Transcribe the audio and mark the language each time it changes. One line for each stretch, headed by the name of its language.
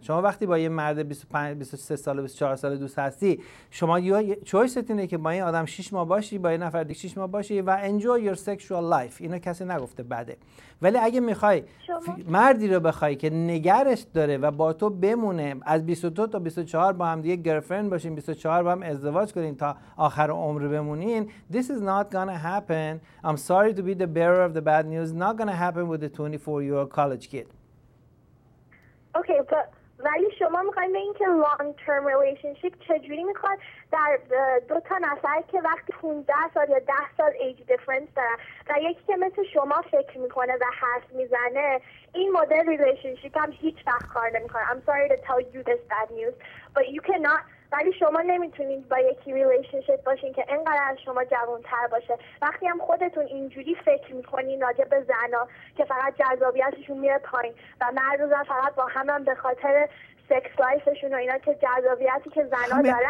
Persian: شما وقتی با یه مرد 25 23 ساله 24 ساله دوست هستی، شما یا چویست اینه که با این آدم 6 ماه باشی، با یه نفر دیگه 6 ماه باشی و انجوی یور سکشوال لایف. اینا کسی نگفته بده. ولی اگه میخوای مردی رو بخوای که نگرش داره و با تو بمونه، از 22 تا 24 با هم دیگه گرلفرند باشین، 24 با هم ازدواج کنین تا آخر عمر بمونین،
English: this is not gonna happen. I'm sorry to be the bearer of the bad news. Not gonna happen with a 24 year old college kid.
Persian: اوکی، ولی شما میخواییم به این که
English: long term relationship
Persian: چجوری میخواد در دو تا نفر که وقتی 15 سال یا 10 سال
English: age difference
Persian: دارن و یکی که مثل شما فکر میکنه و حرف میزنه، این مدل relationship هم هیچ وقت کار نمیکنه.
English: I'm sorry to tell you this bad news but you cannot.
Persian: ولی شما نمیتونید با یکی ریلیشنشیپ باشین که انقدر از شما جوانتر باشه. وقتی هم خودتون اینجوری فکر میکنین راجع به زنا که فقط جذابیتشون میره پایین و مرد و زن فقط با هم به خاطر سکس لایفشون و اینا که جذابیتی که زنا دارن،